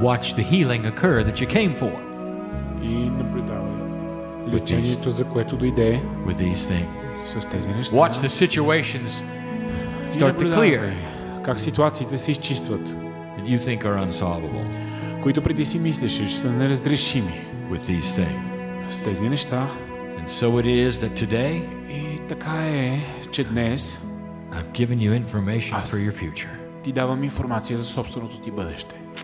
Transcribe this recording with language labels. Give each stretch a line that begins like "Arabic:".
English: Watch the healing occur that you came for.
Bulgarian: И наблюдавай лечението, за което дойде.
English: With these things.
Bulgarian: С тези неща.
English: Watch the situations start to clear.
Bulgarian: Как ситуациите се изчистват.
English: That you think are unsolvable.
Bulgarian: Които преди си мислиш, че са неразрешими.
English: With these things.
Bulgarian: С тези неща.
English: And so it is that today.
Bulgarian: И така е, че днес.
English: I've given you information for your future.
Bulgarian: Ти давам информация за собственото ти бъдеще.